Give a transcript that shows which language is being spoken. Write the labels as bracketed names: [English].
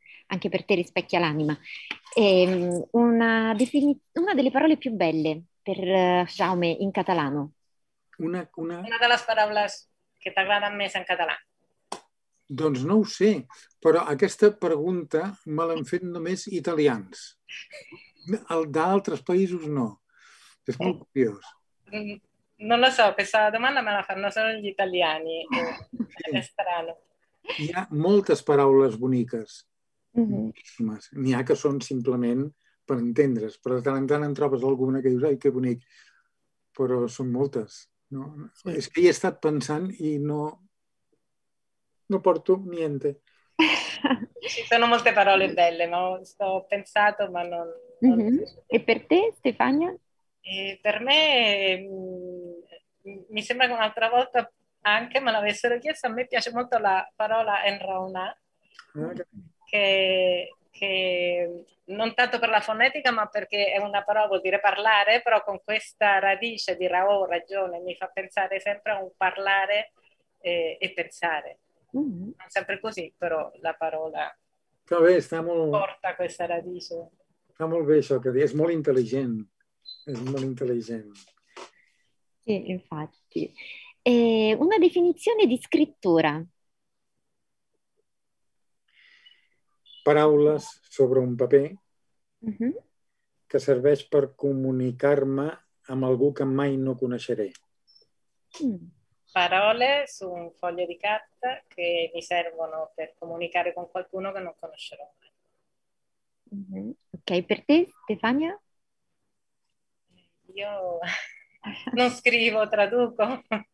[Italian] Anche per te rispecchia l'anima. Una delle parole più belle per Jaume in catalano. Una delle parole che ti [Catalan] agrada més [Italian] in catalano. [Catalan] Doncs no ho sé, però aquesta pregunta me l'han fet només italians. D'altres països no. És molt curiós. [Italian] Non lo so, questa domanda me la fanno solo gli italiani, è strano. [Catalan] Hi ha moltes paraules boniques, moltíssimes. N'hi ha que són simplement per entendre's, però de tant en tant en trobes alguna que dius, ai, que bonic, però són moltes. No? Sí. És que hi he estat pensant i no porto niente. [Italian] Ci sono molte parole belle, ma sto pensato, ma non... Mm-hmm. E per te, Stefania? Per me, mi sembra che un'altra volta anche me l'avessero chiesto, a me piace molto la parola enrauna, che non tanto per la fonetica, ma perché è una parola, vuol dire parlare, però con questa radice di rao, ragione, mi fa pensare sempre a un parlare e pensare. Mm-hmm. Non sempre così, però la parola porta questa radice. Sta molto bene ciò che dici, è molto intelligente. Sì, infatti. Una definizione di scrittura. [Catalan] Paraules sobre un paper che serveix per comunicar-me amb algú que mai no coneixeré. [Italian] Parole su un foglio di carta che mi servono per comunicare con qualcuno che non conoscerò mai. Mm-hmm. Ok, per te, Stefania? Io non scrivo, traduco.